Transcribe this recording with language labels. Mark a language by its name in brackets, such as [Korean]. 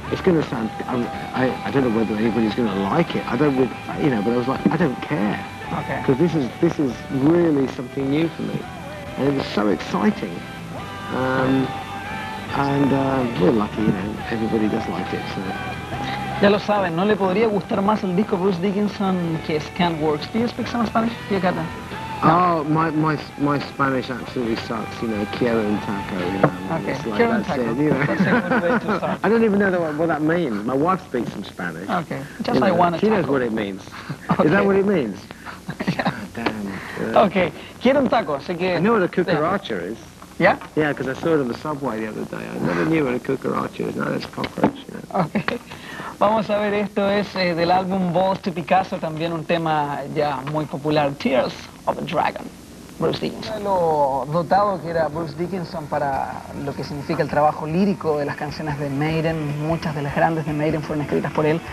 [English] It's going to sound, I don't know whether anybody's going to like it. I don't, you know, but I was like, I don't care. Okay. Because this is really something new for me. And it was so exciting. We're lucky, you know, everybody does like it, so. [Spanish] Ya lo saben, no le podría gustar más el disco Bruce Dickinson que Scan Works. [English] Do you speak some Spanish? [Spanish] ¿Qué cata? [English] No. Oh, my Spanish absolutely sucks, you know, [Spanish] quiero un taco, [English] you know. Okay, like, [Spanish] quiero un taco, [English] it, you know. I don't even know what that means. My wife speaks some Spanish. Okay, just you know, I want to. She knows what it means. Okay. Is that what it means? Damn. Okay, [Spanish] quiero un taco, así que... [English] I know what a cucaracha is. Yeah? Yeah, because I saw it on the subway the other day. I never knew what a cucaracha is. No, that's cockroach, you know. Okay. [Spanish] Vamos a ver, esto es del álbum Balls to Picasso, también un tema ya muy popular, Tears of a Dragon, Bruce Dickinson. Lo dotado que era Bruce Dickinson para lo que significa el trabajo lírico de las canciones de Maiden, muchas de las grandes de Maiden fueron escritas por él.